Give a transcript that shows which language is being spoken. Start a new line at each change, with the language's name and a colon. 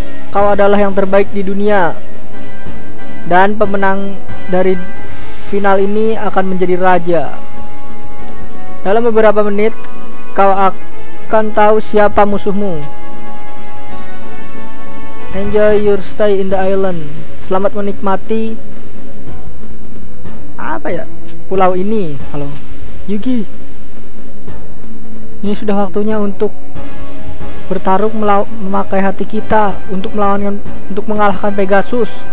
Indonesian: Kau adalah yang terbaik di dunia, dan pemenang dari final ini akan menjadi raja. Dalam beberapa menit kau akan tahu siapa musuhmu.
English: Enjoy your stay in the island.
Indonesian: Selamat menikmati apa ya, pulau ini. Halo Yugi, ini sudah waktunya untuk bertarung memakai hati kita untuk mengalahkan Pegasus.